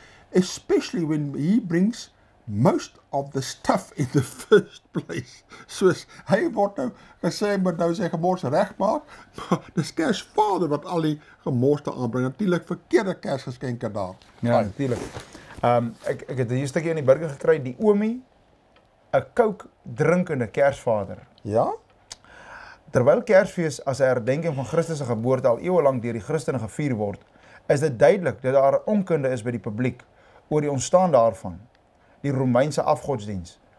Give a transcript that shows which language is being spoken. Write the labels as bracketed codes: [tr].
[en] "Especially when he brings most of the stuff in the first place." [af] Soos hy word nou gesê, moet nou sy gemors reg maak, maar dis Kersvader wat al die gemors te aanbring. Natuurlik verkeerde kersgeskenke daar. Ja, natuurlik. Ek het hier stukkie in die burger gekry, die oomie, 'n Coke drinkende Kersvader. Ja? Terwyl Kersfees as 'n herdenking van Christus se geboorte al eeue lank deur die Christene gevier word, is dit duidelik dat daar onkunde is by die publiek oor die ontstaan daarvan, die Romeinse afgodsdiens.